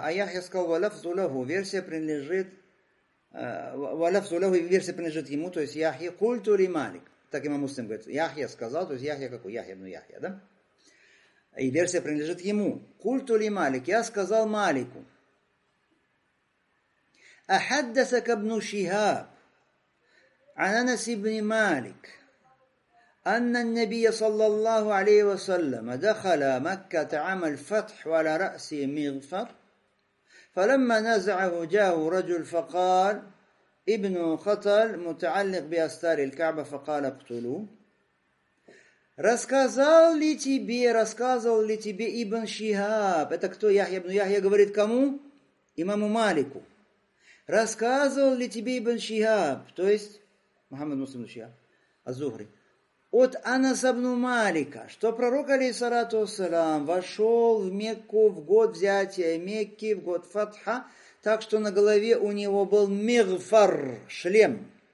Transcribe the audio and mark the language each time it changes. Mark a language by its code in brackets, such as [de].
[ru] А Яхья сказал: «Валафзу лаху». Версия принадлежит «Валафзу лаху». Версия принадлежит ему, то есть Яхья. «Культу ли Малик». Так имам Муслим говорит. Яхья сказал, то есть Яхья какой? Яхья ибн Яхья, да? И версия принадлежит ему. «Культу ли Малик». Я сказал Малику. [ar] أحدثك ابن شهاب عن أنس بن مالك أن النبي صلى الله عليه وسلم دخل مكة عام الفتح وعلى رأسه مغفر فلما نزعه جاءه رجل فقال ابن خطل متعلق بأستار الكعبة فقال اقتلوه. [ru] Рассказал ли тебе, рассказывал ли тебе ابن شهاب, это кто? Яхья ابن Яхья говорит кому? Имаму Малику. Рассказывал ли тебе ибн Шихаб, то есть Мухаммад Муслим Шихаб, Аз-Зухри, от Анаса ибн Малика, что пророк, алейхиссалату вассалям, вошел в Мекку в год взятия Мекки, в год Фатха, так что на голове у него был мигфар, шлем.